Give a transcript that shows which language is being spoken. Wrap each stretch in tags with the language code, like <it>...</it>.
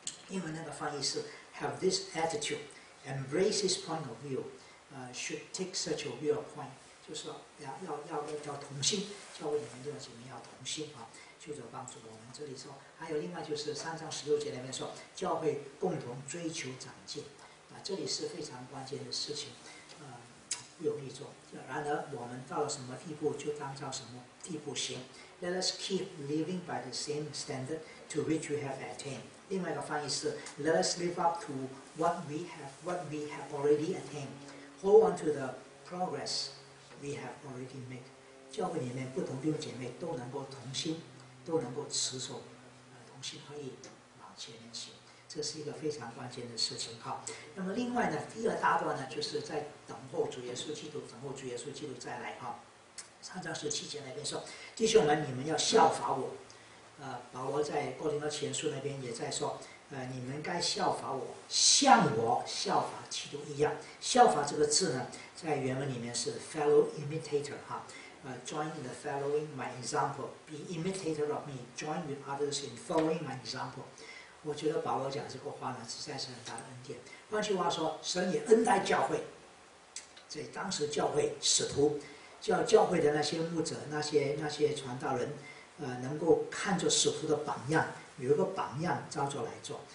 <zh>因为那个翻译是</zh> <en>have this attitude, embrace this point of view, should take such a viewpoint,</en> <zh>就是说要同心，教会里面这种姐妹要同心啊，就是帮助我们。这里说还有另外就是3:16里面说教会共同追求长进啊，这里是非常关键的事情，不容易做。然而我们到了什么地步，就当照什么地步行。</zh> <en>Let us keep living by the same standard to which we have attained.</en> <zh>另外一个翻译是</zh> <en>Let us live up to what we have already attained. Hold on to the progress we have already made.</en> <zh>教会里面不同弟兄姐妹都能够同心，都能够持守，同心合意往前面行，这是一个非常关键的事情。好，那么另外呢，第二大段呢，就是在等候主耶稣基督，等候主耶稣基督再来啊。三章十七节那边说，弟兄们，你们要效法我。保罗在哥林多前书那边也在说，你们该效法我，像我效法基督一样。效法这个字呢，在原文里面是</zh> <en>fellow imitator</en> <zh>哈，</zh> <en>join in the following my example, be imitator of me, join with others in following my example。</en> <zh>我觉得保罗讲这个话呢，实在是很大的恩典。换句话说，神也恩待教会，在当时教会使徒，叫教会的那些牧者、那些传道人，能够看着使徒的榜样，有一个榜样照着来做。</zh>